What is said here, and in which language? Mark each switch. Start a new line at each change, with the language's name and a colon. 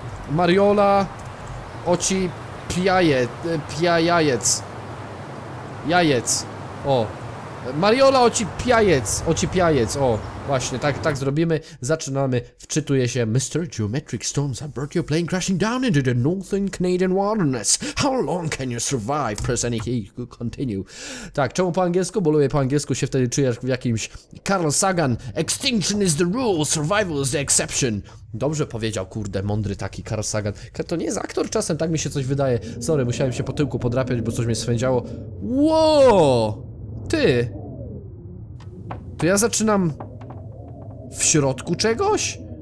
Polish: Mariola Oci Piajajec. Jajec. O. Mariola ocipiajec, o, właśnie, tak zrobimy, zaczynamy, wczytuje się.
English: Mr. Geometric Storms have brought your plane crashing down into the northern Canadian wilderness. How long can you survive? Press any key to continue.
Polish: Tak, czemu po angielsku? Bo lubię po angielsku się wtedy czuję jak w jakimś Carl Sagan.
English: Extinction is the rule, survival is the exception.
Polish: Dobrze powiedział, kurde, mądry taki Carl Sagan. To nie jest aktor czasem, tak mi się coś wydaje. Sorry, musiałem się po tyłku podrapiać, bo coś mnie swędziało. Wow! Ty! To ja zaczynam... w środku czegoś?